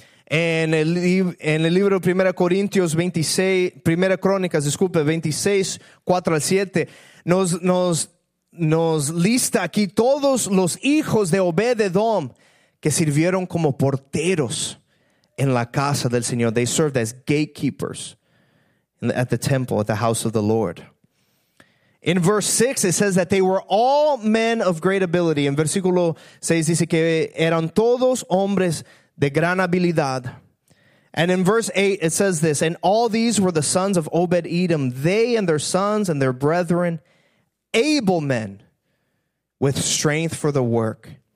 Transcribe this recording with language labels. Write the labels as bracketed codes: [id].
[es] En el libro de Primera Crónicas 26, 4 al 7, nos lista aquí todos los hijos de Obed-Edom que sirvieron como porteros en la casa del Señor. [en] They served as gatekeepers at the temple, at the house of the Lord. In verse 6, it says that they were all men of great ability. [es] En versículo 6 dice que eran todos hombres de gran habilidad. [en] And in verse 8, it says this, and all these were the sons of Obed-Edom, they and their sons and their brethren, able men with strength for the work.